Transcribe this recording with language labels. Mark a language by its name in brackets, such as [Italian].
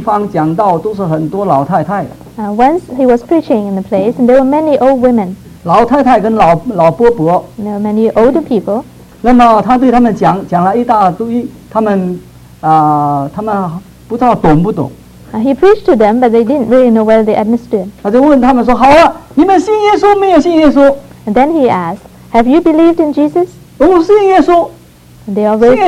[Chinese] 据说有一次他在一个地方讲道，都是很多老太太。 [English] Once he was preaching in a place, and there were many old women. [Chinese] 老太太跟老伯伯。 [English] There were many older people. [Chinese] 那么他对他们讲了一大堆，他们。他们不知道懂不懂。 [English] He preached to them, but they didn't really know whether they understood. [Chinese] 他就问他们说，好了，你们信耶稣没有信耶稣？ [English] And then he asked, have you believed in Jesus? [Chinese] 我信耶稣。 [English] And they all raised their hand.